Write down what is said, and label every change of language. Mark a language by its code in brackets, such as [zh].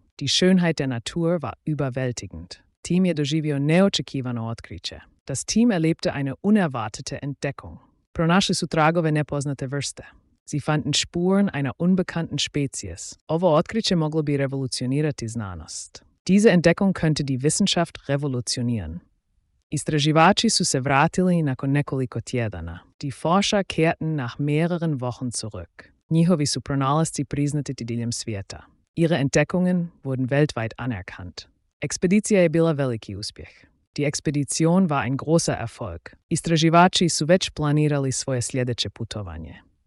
[de] Die Schönheit der Natur war überwältigend. [hr] Tim je doživio neočekivano otkriće. [de] Das Team erlebte eine unerwartete Entdeckung. [hr] Pronašli su tragove nepoznate vrste. [de] Sie fanden Spuren einer unbekannten Spezies. [hr] Ovo otkriće moglo bi revolucionirati znanost. [de] Diese Entdeckung könnte die Wissenschaft revolutionieren. [hr] Istraživači su se vratili nakon nekoliko tjedana. [de] Die Forscher kehrten nach mehreren Wochen zurück. [hr] Njihovi su pronalasci priznati diljem svijeta. [de] Ihre Entdeckungen wurden weltweit anerkannt. [hr] Expedicija je bila veliki uspjeh. [de] Die Expedition war ein großer Erfolg. [hr] Istraživači su već planirali svoje sljedeće putovanje.